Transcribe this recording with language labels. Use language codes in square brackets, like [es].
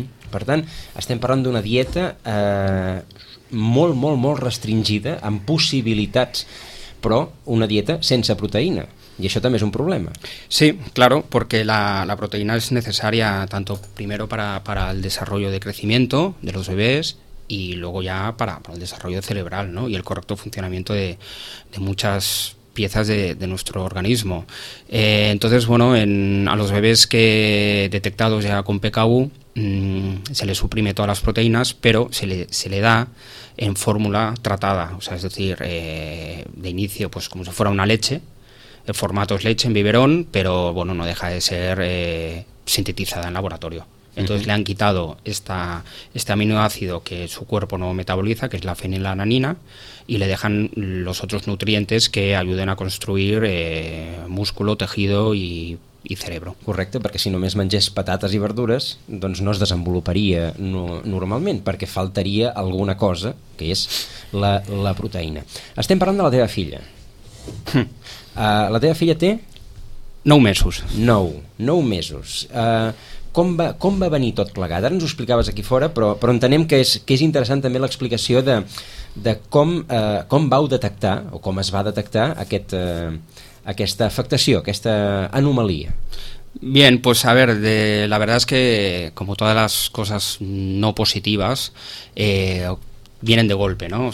[ca] Per tant, estem parlant d'una dieta molt, molt, molt restringida, amb possibilitats, però una dieta sense proteïna. [es] Y eso también es un problema. Sí, claro, porque la proteína es necesaria tanto primero para el desarrollo de crecimiento de los bebés y luego ya para el desarrollo cerebral, ¿no? Y el correcto funcionamiento de muchas piezas de nuestro organismo. Entonces, bueno, a los bebés que detectados ya con PKU se le suprime todas las proteínas, pero se le da en fórmula tratada, o sea, es decir, de inicio, pues como si fuera una leche. El formato es leche en biberón, pero bueno, no deja de ser sintetizada en laboratorio. Entonces uh-huh. Le han quitado este aminoácido que su cuerpo no metaboliza, que es la fenilalanina, y le dejan los otros nutrientes que ayuden a construir músculo, tejido y cerebro. [ca] Correcte, perquè si només mengés patates i verdures, doncs no es desenvoluparia normalment, perquè faltaria alguna cosa, que és la proteïna. Estem parlant de la teva filla. La teva filla té... 9 mesos. 9 mesos. Com va venir tot plegat? Ara ens ho explicaves aquí fora, però entenem que és interessant també l'explicació de com vau detectar, o com es va detectar aquesta afectació, aquesta anomalia. [es] Bien, pues a ver, la verdad es que como todas las cosas no positivas vienen de golpe, ¿no?